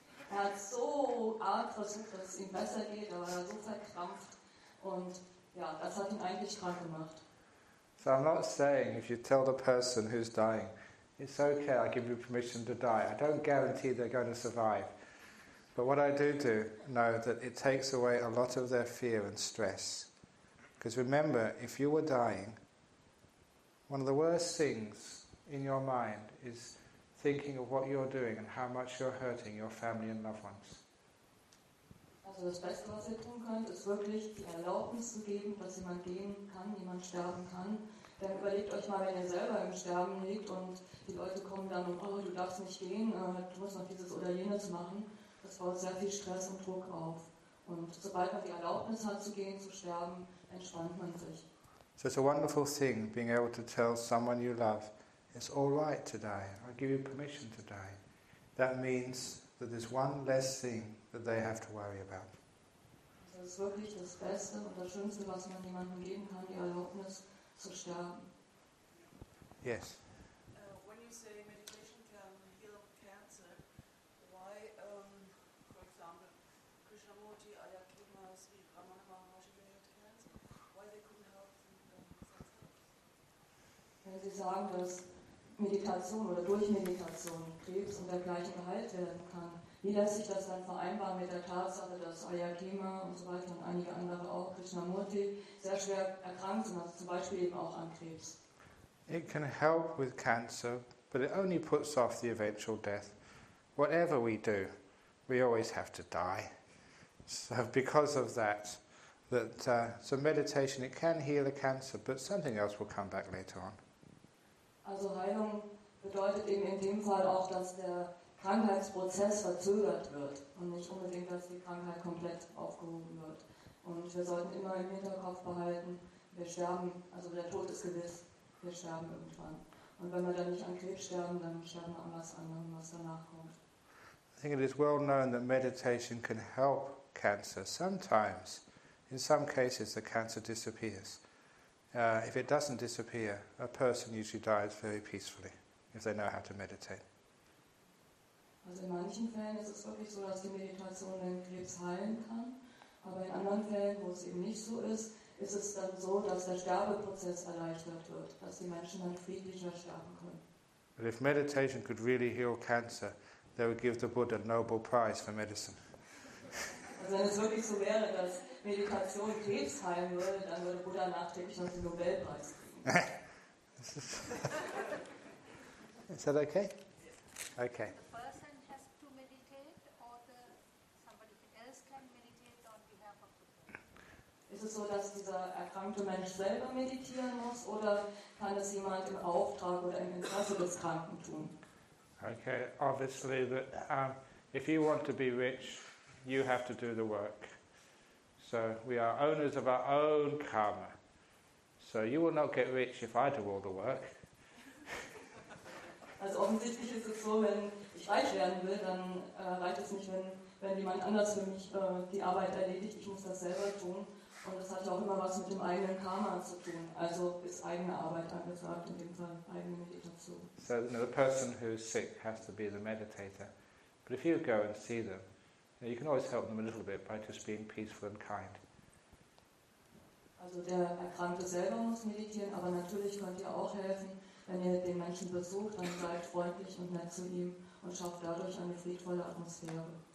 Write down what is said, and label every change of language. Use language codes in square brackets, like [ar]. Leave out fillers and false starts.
[de] Er hat so arg versucht, dass es ihm besser geht, aber er war so verkrampft. Und ja, das hat ihn eigentlich krank gemacht. [en] So I'm not saying, if you tell the person who's dying, it's okay, I give you permission to die. I don't guarantee they're going to survive. But what I do know that it takes away a lot of their fear and stress. Because remember, if you were dying, one of the worst things in your mind is thinking of what you're doing and how much you're hurting your family and loved ones. [de] Also das Beste, was ihr tun könnt, ist wirklich die Erlaubnis zu geben, dass jemand gehen kann, jemand sterben kann. Dann überlegt euch mal, wenn ihr selber im Sterben liegt und die Leute kommen dann und oh, du darfst nicht gehen, du musst noch dieses oder jenes machen. Das baut sehr viel Stress und Druck auf. Und sobald man die Erlaubnis hat zu gehen, zu sterben, entspannt man sich. [en] So it's a wonderful thing, being able to tell someone you love, it's all right to die, I give you permission to die. That means that there's one less thing that they have to worry about. [de] Also das ist wirklich das Beste und das Schönste, was man jemandem geben kann, die Erlaubnis. [en] Yes. When you say meditation can heal cancer, why, for example, Krishnamurti, Ayakima, Sri Ramana Maharshi, they had cancer, why they couldn't help them? [de] Wenn Sie sagen, dass Meditation oder durch Meditation Krebs und dergleichen geheilt werden kann, wie lässt sich das dann vereinbaren mit der Tatsache, dass Ayakima und so weiter und einige andere auch, Krishnamurti, sehr schwer erkrankt sind, also zum Beispiel eben auch an Krebs? [en] It can help with cancer, but it only puts off the eventual death. Whatever we do, we always have to die. So because of that, so meditation, it can heal the cancer, but something else will come back later on. [de] Also Heilung bedeutet eben in dem Fall auch, dass der Krankheitsprozess verzögert wird und nicht unbedingt, dass die Krankheit komplett aufgehoben wird. Und wir sollten immer im Hinterkopf behalten, wir sterben, also der Tod ist gewiss, wir sterben irgendwann. Und wenn wir dann nicht an Krebs sterben, dann sterben wir an was anderem, was danach kommt. [en] I think it is well known that meditation can help cancer. Sometimes, in some cases, the cancer disappears. If it doesn't disappear, a person usually dies very peacefully if they know how to meditate. [de] Also in manchen Fällen ist es wirklich so, dass die Meditation den Krebs heilen kann, aber in anderen Fällen, wo es eben nicht so ist, ist es dann so, dass der Sterbeprozess erleichtert wird, dass die Menschen dann friedlicher sterben können. [en] But if meditation could really heal cancer, they would give the Buddha a Nobel Prize for medicine. [de] Also wenn es wirklich so wäre, dass Meditation Krebs heilen würde, dann würde Buddha nachträglich noch den Nobelpreis kriegen. [en] Is that okay? Okay. The person has to meditate or somebody else can meditate on behalf of the person? [de] Ist es so, dass dieser erkrankte Mensch selber meditieren muss oder kann es jemand im Auftrag oder im Interesse des Kranken tun? [en] Okay, obviously, if you want to be rich, you have to do the work. So we are owners of our own karma. So you will not get rich if I do all the work. [de] Also offensichtlich ist es so, wenn ich reich werden will, dann reicht es nicht, wenn jemand anders für mich die Arbeit erledigt. Ich muss das selber tun. Und das hat ja auch immer was mit dem eigenen Karma zu tun. Also ist eigene Arbeit angesagt, in dem Fall eigene Meditation. [en] So you know, the person who is sick has to be the meditator. But if you go and see them, you can always help them a little bit by just being peaceful and kind. [de] Also der Erkrankte selber muss meditieren, aber natürlich könnt ihr auch helfen, wenn ihr den Menschen besucht, dann seid freundlich und nett zu ihm und schafft dadurch eine friedvolle Atmosphäre.